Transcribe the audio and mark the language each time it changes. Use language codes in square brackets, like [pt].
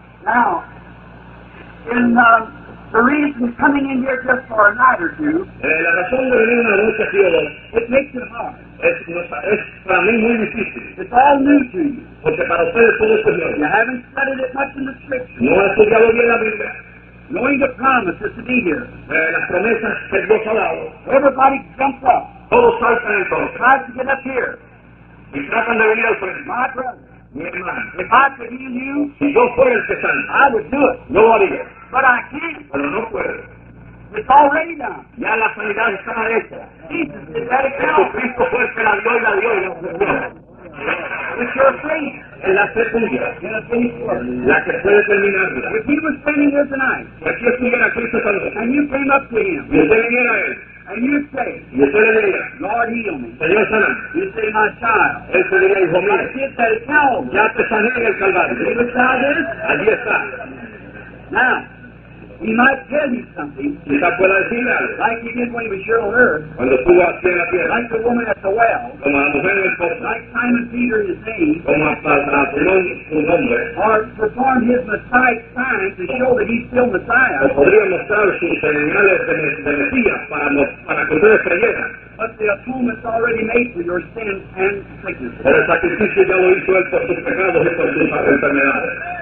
[en] Now, in the reason coming in here just for a night or two, [es] la razón de venir una noche aquí o dos, [en] it makes it hard. [es] Es para mí muy difícil. [en] It's all new to you. [es] Porque para ustedes todo es nuevo. [en] You haven't studied it much in the scriptures. [es] No has estudiado bien la Biblia. [en] Knowing the promises to be here. [es] Las promesas que Dios ha dado. [en] Everybody jumps up. [es] Todos saltan entonces. [en] Tries to get up here. [es] Y tratan de venir al frente. [en] My brother. [es] Mi hermano, [en] if I could heal you, [es] si yo fuera el que sana, [en] I would do it. [es] Yo lo haría. [en] But I can't. [es] Pero no puedo. [en] It's already done. [es] Ya la sanidad está hecha. [en] Jesus did that account. [es] Jesucristo fue el que la dio y la dio. [en] It's your faith. [es] Es la fe tuya. La que puede terminarla. [en] If he was standing here tonight, [es] si aquí estuviera Cristo esta noche, [en] and you came up to him, [es] y usted viniera a él, [en] and you say, [es] y usted le diría, [en] Lord, heal me. [es] Señor, sáname. [en] You say, my child. [es] Él se diría, hijo mío. [en] I did that at Calvary. [es] Ya te sané en el Calvario. [en] You saw this? [es] Allí está. [en] Now, he might tell you something. [es] Quizá pueda decirle algo. [en] Like he did when he was here on earth. [es] Cuando estuvo aquí en la tierra. [en] Like the woman at the well. [es] Como la mujer en el pozo. [en] Like Simon Peter in his name. [es] Como a Simón, su nombre. [en] Or perform his Messiah signs to show that he's still Messiah. [es] O podría mostrar sus señales de Mesías para que ustedes creyeran. [en] But the atonement's already made for your sins and sicknesses. [es] Pero el sacrificio ya lo hizo él por sus pecados y por sus enfermedades.